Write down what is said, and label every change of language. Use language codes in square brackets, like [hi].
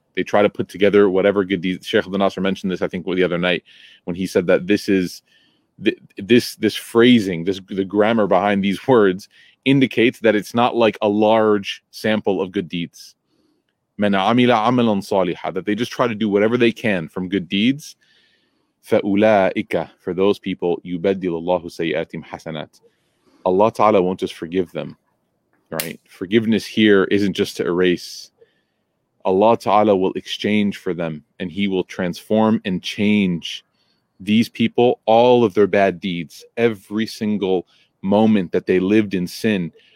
[en] They try to put together whatever good deeds. Sheikh Abdul Nasser mentioned this, I think, the other night, when he said that this phrasing, the grammar behind these words indicates that it's not like a large sample of good deeds. [ar] من عمل عملا صالحا, [en] that they just try to do whatever they can from good deeds. [ar] فأولئك, [en] for those people, [ar] يبدل الله سيئاتهم حسنات. [en] Allah Ta'ala won't just forgive them, right? Forgiveness here isn't just to erase. Allah Ta'ala will exchange for them, and He will transform and change these people, all of their bad deeds, every single moment that they lived in sin.